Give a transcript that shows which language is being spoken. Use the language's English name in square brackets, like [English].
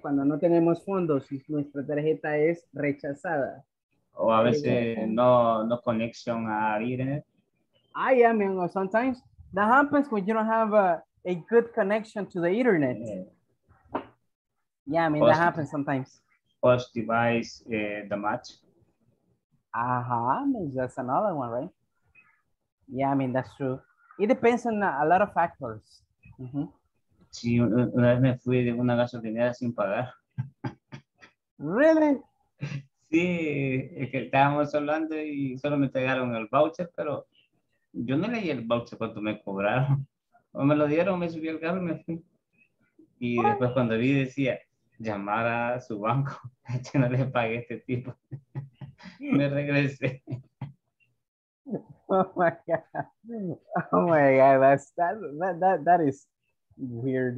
[Spanish] Cuando no tenemos fondos y nuestra tarjeta es rechazada. O a veces no conexión a internet. [English] Ah, yeah, I mean, sometimes that happens when you don't have a good connection to the internet. Yeah, I mean, post, that happens sometimes. Post device damage. Ajá, that's another one, right? Yeah, I mean, that's true. It depends on a lot of factors. [Spanish] Sí, una vez me fui de una gasolinera sin pagar. [English] Really? [Spanish] Sí, es que estábamos hablando y solo me entregaron el voucher, pero yo no leí el voucher cuando me cobraron. O me lo dieron, me subí al carro y me fui. Y what? Después cuando vi decía, llamar a su banco, que no le pague a este tipo. Me regresé. [English] Oh my god. Oh my god, that is weird.